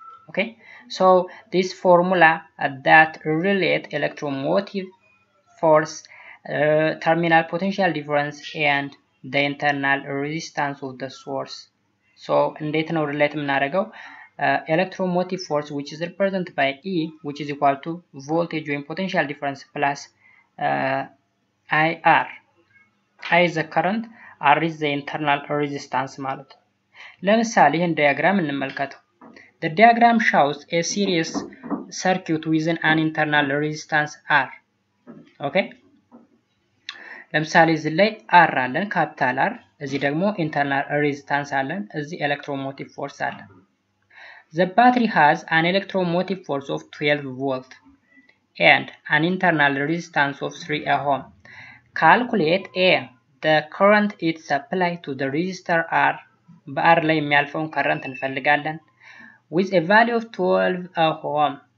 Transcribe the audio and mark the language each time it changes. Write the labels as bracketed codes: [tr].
[en] ኦኬ so this formula that relate electromotive force terminal potential difference and the internal resistance of the source [am] so እንዴት ነው relate እናደርገው [en] electromotive force which is represented by E which is equal to voltage or potential difference plus IR. I is the current, R is the internal resistance. [am] ለምሳሌ ይህን diagram እንመልከተው. [en] The diagram shows a series circuit within an internal resistance R. Okay? [am] ለምሳሌ ዝላይ R አለን capital R እዚህ ደግሞ ኢንተርናል ሬዚስታንስ አለን እዚህ ኤሌክትሮሞቲቭ ፎርስ አለ [en] The battery has an electromotive force of 12 volt and an internal resistance of 3 ohm. Calculate A, the current it supplies to the resistor R. [am] በR ላይ የሚያልፈውን ከረንት እንፈልጋለን. [en] With a value of 12 ohm.